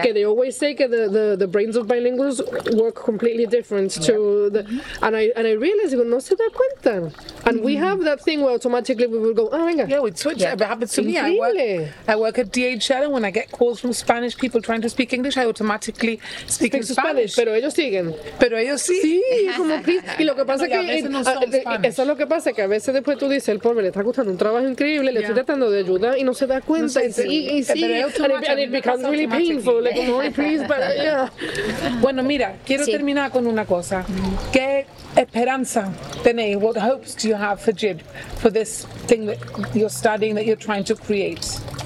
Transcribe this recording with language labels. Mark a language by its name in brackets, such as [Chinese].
[English] Okay, they always say that the brains of bilinguals work completely different to the, and I realize [Spanish] no se da cuenta. [English] And we have that thing where automatically we will go, [Spanish] ah, venga. [English] Yeah, we switch. Yeah. It happens to me. I work at DHL, and when I get calls from Spanish people trying to speak English, I automatically speak in Spanish. [Spanish] Pero ellos siguen. Pero ellos sí. Sí, como [English] please. [Spanish] Y lo que pasa eso es lo que pasa, que a veces después tú dices, el pobre le está gustando un trabajo increíble, le estoy tratando de ayudar y no se da cuenta. No sé, y sí, [English] and it becomes really painful. Like, no, please, but yeah. [Spanish] Bueno, mira, quiero terminar con una cosa. ¿Qué esperanza tenéis? [English] What hopes do you have for JIB, for this thing that you're studying, that you're trying to create?